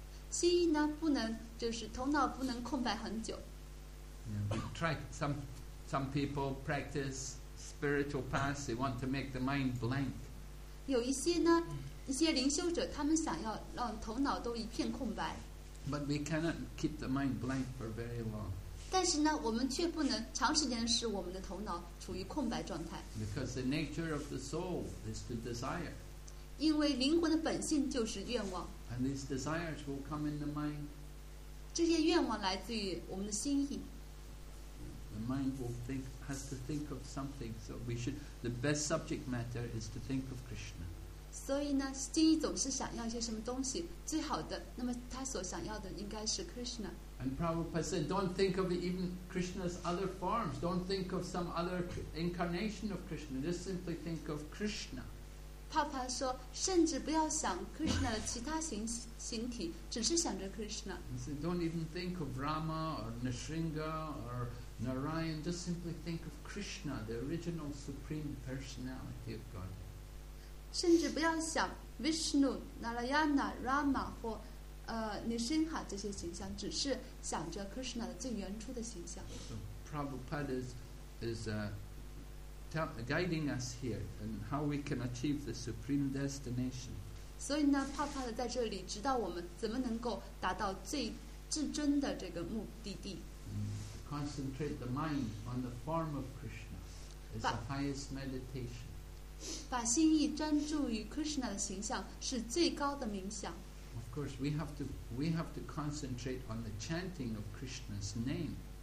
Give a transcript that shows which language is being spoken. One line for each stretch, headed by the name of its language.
Chinese: 心意呢不能就是头脑不能空白很久。
English: Yeah, we try some people practice spiritual path. They want to make the mind blank.
Chinese: 有一些呢，一些灵修者他们想要让头脑都一片空白。
English: But we cannot keep the mind blank for very long.
Chinese: 但是呢，我们却不能长时间使我们的头脑处于空白状态。
English: Because the nature of the soul is to desire.
Chinese: 因为灵魂的本性就是愿望。
English: And these desires will come in the mind.
Chinese: 这些愿望来自于我们的心意。
English: The mind will think, has to think of something. So we should, the best subject matter is to think of Krishna.
Chinese: 所以呢，心意总是想要一些什么东西，最好的，那么他所想要的应该是 Krishna.
English: And Prabhupada said, don't think of even Krishna's other forms. Don't think of some other incarnation of Krishna. Just simply think of Krishna.
Chinese: Papa 说，甚至不要想 Krishna 的其他形体，只是想着 Krishna.
English: He said, don't even think of Rama or Nrisinga or Narayan. Just simply think of Krishna, the original supreme personality of God.
Chinese: 甚至不要想 Vishnu, Narayana, Rama 或Nrisinga 这些形象，只是想着 Krishna 的最原初的形象。
English: So, Prabhupada is guiding us here and how we can achieve the supreme destination.
Chinese: 所以呢，帕帕的在这里指导我们怎么能够达到最至尊的这个目的地。
English: Concentrate the mind on the form of Krishna is the highest meditation.
Chinese: 把心意专注于 Krishna 的形象是最高的冥想。
English: Of course, we have to concentrate on the chanting of Krishna's name.